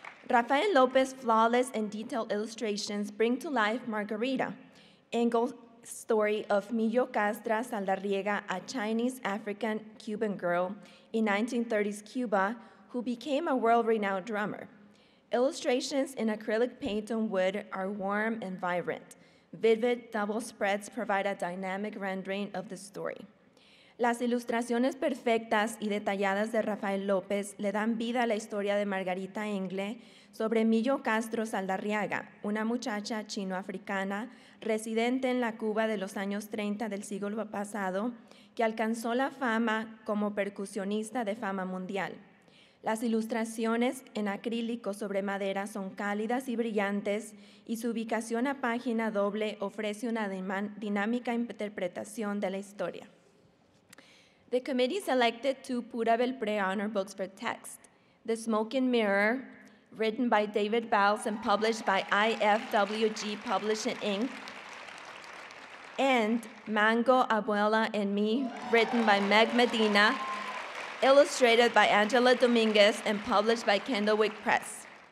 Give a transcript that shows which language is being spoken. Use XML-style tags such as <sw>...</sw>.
<en>Rafael Lopez's flawless and detailed illustrations bring to life Margarita, Engel's story of Millo Castra Saldarriega, a Chinese African Cuban girl in 1930s Cuba who became a world-renowned drummer. Illustrations in acrylic paint on wood are warm and vibrant. Vivid double spreads provide a dynamic rendering of the story.</en> <es>Las ilustraciones perfectas y detalladas de Rafael López le dan vida a la historia de Margarita Engle sobre Millo Castro Saldarriaga, una muchacha chino-africana residente en la Cuba de los años 30 del siglo pasado que alcanzó la fama como percusionista de fama mundial. Las ilustraciones en acrílico sobre madera son cálidas y brillantes y su ubicación a página doble ofrece una dinámica interpretación de la historia.</es> <en>The committee selected two Pura Belpré honor books for text, The Smoking Mirror, written by David Bowles and published by IFWG Publishing, Inc., and Mango, Abuela, and Me, written by Meg Medina, illustrated by Angela Dominguez and published by Candlewick Press.</en>